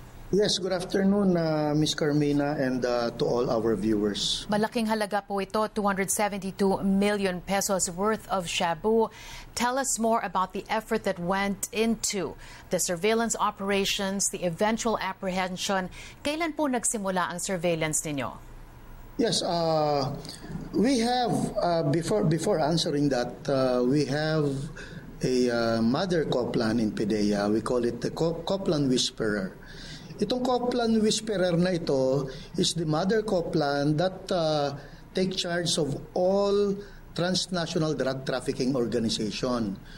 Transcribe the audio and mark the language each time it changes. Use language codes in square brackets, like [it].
[en] Yes, good afternoon, Ms. Carmina, and to all our viewers. [tl] Malaking halaga po ito, [en] 272 million pesos worth of shabu. Tell us more about the effort that went into the surveillance operations, the eventual apprehension. [tl] Kailan po nagsimula ang surveillance ninyo? [en] Yes, we have, before answering that, we have a mother Coplan in PDEA. We call it the Coplan Whisperer. [tl] Itong Coplan Whisperer na ito [en] is the mother Coplan that take charge of all transnational drug trafficking organization.